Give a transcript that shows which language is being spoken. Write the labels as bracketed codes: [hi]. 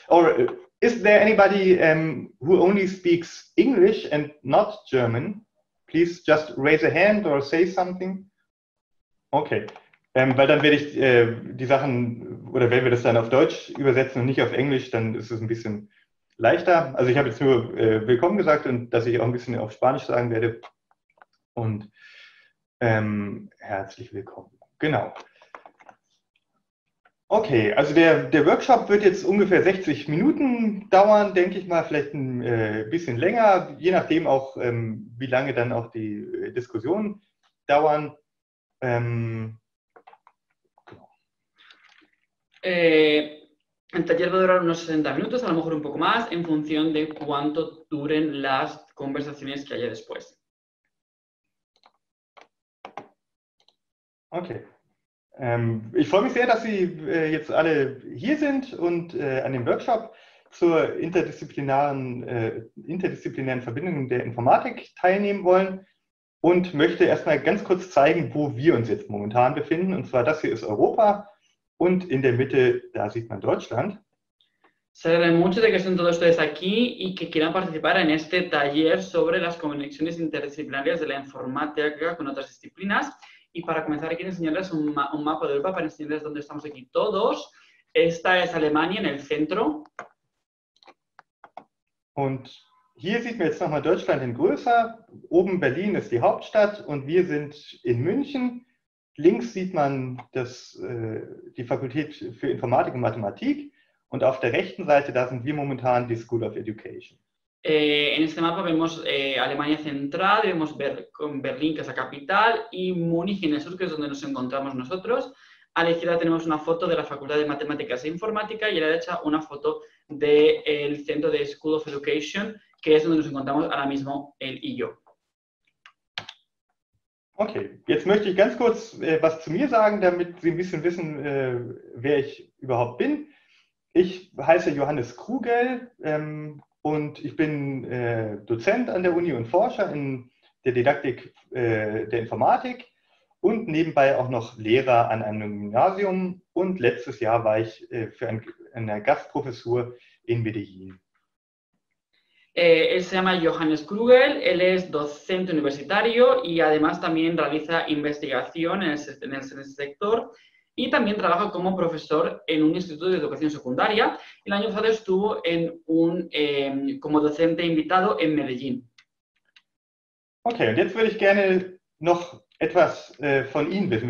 [en] Or, is there anybody who only speaks English and not German? Please just raise a hand or say something. [de] Okay, weil dann werde ich die Sachen, oder wenn wir das dann auf Deutsch übersetzen und nicht auf Englisch, dann ist es ein bisschen leichter. Also ich habe jetzt nur willkommen gesagt und dass ich auch ein bisschen auf Spanisch sagen werde. Und herzlich willkommen. Genau. Okay, also der Workshop wird jetzt ungefähr 60 Minuten dauern, denke ich mal, vielleicht ein bisschen länger, je nachdem auch, wie lange dann auch die Diskussionen dauern. [es] El taller va a durar unos 60 minutos, a lo mejor un poco más, en función de cuánto duren las conversaciones que haya después. Okay. [de] Ich freue mich sehr, dass Sie jetzt alle hier sind und an dem Workshop zur interdisziplinären Verbindung der Informatik teilnehmen wollen und möchte erstmal ganz kurz zeigen, wo wir uns jetzt momentan befinden. Und zwar das hier ist Europa und in der Mitte, da sieht man Deutschland. [es] Se agradece mucho de que estén todos ustedes aquí y que quieran participar en este taller sobre las conexiones interdisciplinarias de la informática con otras disciplinas. Y para comenzar, quiero enseñarles un mapa de Europa para enseñarles dónde estamos aquí todos. Esta es Alemania en el centro. [de] Und hier sieht man jetzt nochmal Deutschland in größer. Oben Berlin ist die Hauptstadt und wir sind in München. Links sieht man die Fakultät für Informatik und Mathematik. Und auf der rechten Seite, da sind wir momentan die School of Education. [es] En este mapa vemos Alemania Central, vemos Berlín, que es la capital, y Múnich en el sur, que es donde nos encontramos nosotros. A la izquierda tenemos una foto de la Facultad de Matemáticas e Informática y a la derecha una foto del centro de School of Education, que es donde nos encontramos ahora mismo él y yo. [de] Okay, jetzt möchte ich ganz kurz was zu mir sagen, damit Sie ein bisschen wissen, wer ich überhaupt bin. Ich heiße Johannes Krugel und ich bin Dozent an der Uni und Forscher in der Didaktik der Informatik und nebenbei auch noch Lehrer an einem Gymnasium. Und letztes Jahr war ich für eine Gastprofessur in Medellin. [es] Él se llama Johannes Krugel, él es docente universitario y además también realiza investigación en el sector y también trabaja como profesor en un instituto de educación secundaria. El año pasado estuvo como docente invitado en Medellín. [de] Okay, und jetzt würde ich gerne noch etwas von Ihnen wissen.